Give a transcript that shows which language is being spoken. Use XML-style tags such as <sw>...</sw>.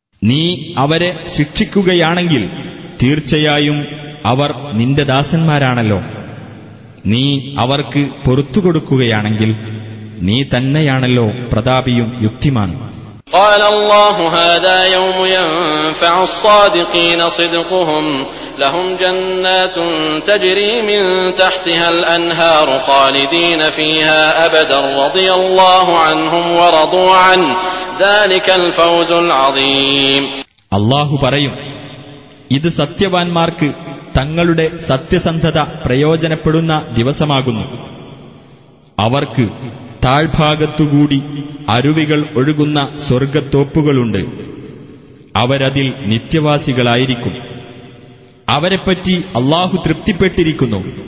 <ml>നീ അവരെ ശിക്ഷിക്കുകയാണെങ്കിൽ തീർച്ചയായും അവർ നിന്റെ ദാസന്മാരാണല്ലോ. നീ അവർക്ക് പൊറുത്തുകൊടുക്കുകയാണെങ്കിൽ നീ തന്നെയാണല്ലോ പ്രതാപിയും യുക്തിമാനും.</ml> <ar>قال الله هذا يوم ينفع الصادقين صدقهم لهم جنات تجري من تحتها الأنهار خالدين فيها أبدا رضي الله عنهم ورضوا عنه ذلك الفوز العظيم.</ar> <ml>الله പറയും, ഇത് സത്യവാൻമാർക്ക് തങ്ങളുടെ സത്യസന്ധത പ്രയോജനപ്പെടുന്ന ദിവസമാകുന്നു. അവർക്ക് താഴ്ഭാഗത്തുകൂടി അരുവികൾ ഒഴുകുന്ന സ്വർഗത്തോപ്പുകളുണ്ട്. അവരതിൽ നിത്യവാസികളായിരിക്കും. അവരെപ്പറ്റി അല്ലാഹു തൃപ്തിപ്പെട്ടിരിക്കുന്നു.</ml>